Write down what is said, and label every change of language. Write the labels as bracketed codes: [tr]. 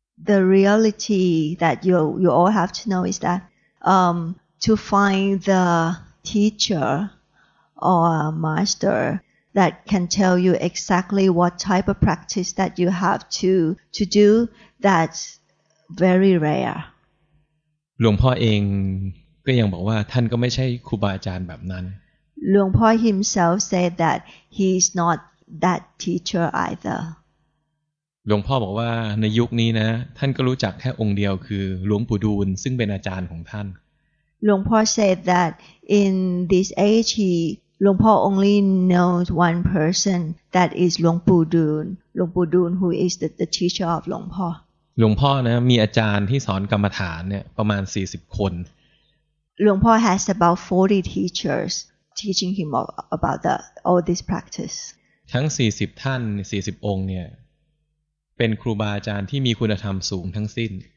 [en] The reality that you all have to know is that to find the teacher or masterThat can tell you exactly what type of practice that you have to do. That's very rare. [th] หลวงพ่อเองก็ยังบอกว่าท่านก็ไม่ใช่ครูบาอาจารย์แบบนั้น [en] หลวงพ่อ himself said that he's not that teacher either. [th] หลวงพ่อบอกว่าในยุคนี้นะท่านก็รู้จักแค่องค์เดียวคือหลวงปู่ดูลซึ่งเป็นอาจารย์ของท่าน [en] หลวงพ่อ said that in this age he. หลวงพ่อ only knows one person that is หลวงปู่ดูลหลวงปู่ดูล who is the teacher of หลวงพ่อ [th] หลวงพ่อนะมีอาจารย์ที่สอนกรรมฐานเนี่ยประมาณ40คน [en] หลวงพ่อ has about 40 teachers teaching him about all this practice [th] ทั้ง40ท่าน40องค์เนี่ยเป็นครูบาอาจารย์ที่มีคุณธรรมสูงทั้งสิ้น